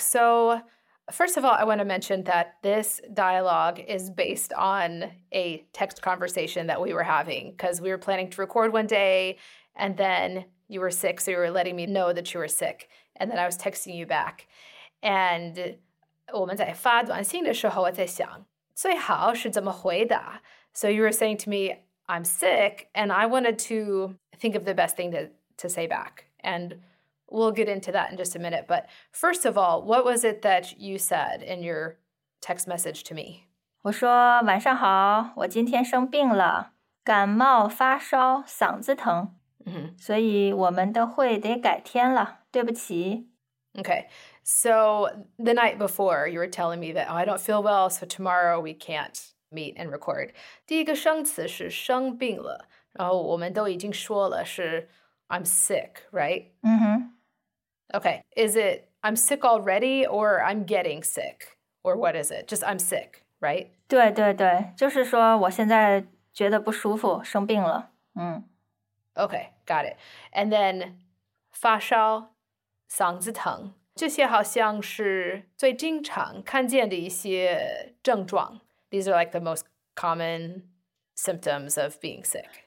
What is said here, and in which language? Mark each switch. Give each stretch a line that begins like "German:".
English: So, first of all, I want to mention that this dialogue is based on a text conversation that we were having because we were planning to record one day and then you were sick. So, you were letting me know that you were sick. And then I was texting you back.
Chinese: And 我们在发短信的时候我在想最好是怎么回答。
English: So, you were saying to me, I'm sick. And I wanted to think of the best thing to say back. And we'll get into that in just a minute. But first of all, what was it that you said in your text message to me?
Chinese: 我说晚上好，我今天生病了，感冒发烧，嗓子疼，所以我们的会得改天了，对不起。
English: Okay, so the night before you were telling me that, oh, I don't feel well, so tomorrow we can't meet and record.
Chinese: 第一个生词是生病了，然后我们都已经说了是
English: I'm sick, right? Mm-hmm. Okay, is it I'm sick already or I'm getting sick? Or what is it? Just I'm sick, right?
Chinese: 对对对，就是说我现在觉得不舒服，生病了。
English: Okay, got it. And then 发烧，嗓子疼。
Chinese: 这些好像是最经常看见的一些症状。
English: These are like the most common symptoms of being sick.